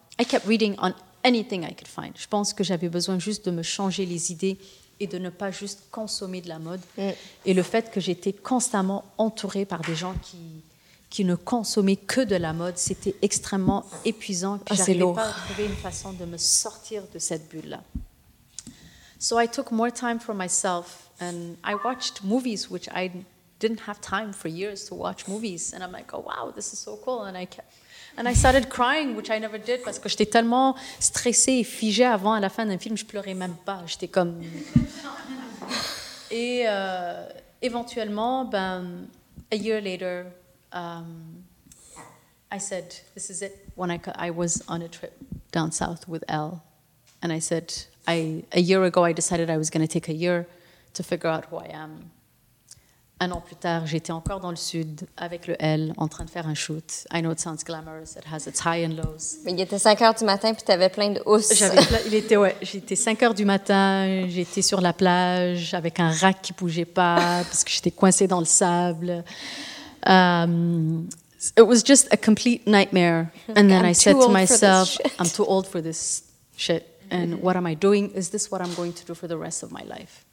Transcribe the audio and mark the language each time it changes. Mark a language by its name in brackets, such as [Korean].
[English] I kept reading on anything I could find. [French] Je pense que j'avais besoin juste de me changer les idées et de ne pas juste consommer de la mode. Et le fait que j'étais constamment entourée par des gens qui ne consommaient que de la mode, c'était extrêmement épuisant. Puis j'arrivais pas à trouver une façon de me sortir de cette bulle-là. [English] So I took more time for myself and I watched movies which I didn't have time for years to watch movies. And I'm like, oh wow, this is so cool. And I started crying, which I never did, [French] parce que j'étais tellement stressée et figée avant, à la fin d'un film, je pleurais même pas. J'étais comme... Et éventuellement, [English] a year later, I said, this is it. When I was on a trip down south with Elle, and I said, a year ago, I decided I was going to take a year to figure out who I am. [French] Un an plus tard, j'étais encore dans le sud avec le L en train de faire un shoot. [English] I know it sounds glamorous, it has its highs and lows. [French] Mais il était 5 heures du matin puis tu avais plein de housses. J'étais 5 heures du matin, j'étais sur la plage avec un rack qui ne bougeait pas parce que j'étais coincée dans le sable. [English] It was just a complete nightmare. And then I said to myself, I'm too old for this shit. And what am I doing? Is this what I'm going to do for the rest of my life?